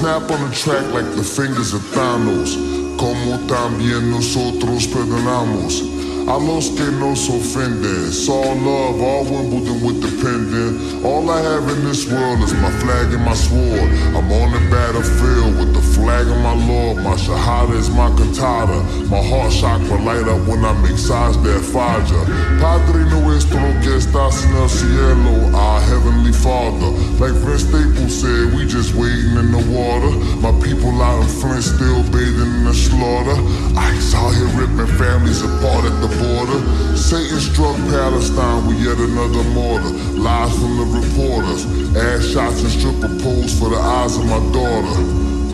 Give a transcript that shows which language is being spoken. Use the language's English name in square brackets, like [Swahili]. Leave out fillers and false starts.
[English] on the track like the fingers of Thanos. [Spanish] Como también nosotros perdonamos a los que nos ofenden. [English] It's all love, all Wimbledon with the pendant. All I have in this world is my flag and my sword. I'm on the battlefield with the flag of my lord. My shahada is my cantata. My heart chakra light up when I make sides that faja. [Spanish] Padre nuestro que estás en el cielo, [English] our heavenly father. Like Vince Staples said, we just waiting in the water. My people out in Flint still bathing in the slaughter. Ice out here ripping families apart at the border. Satan struck Palestine with yet another mortar. Lies from the reporters. Ass shots and stripper poles for the eyes of my daughter.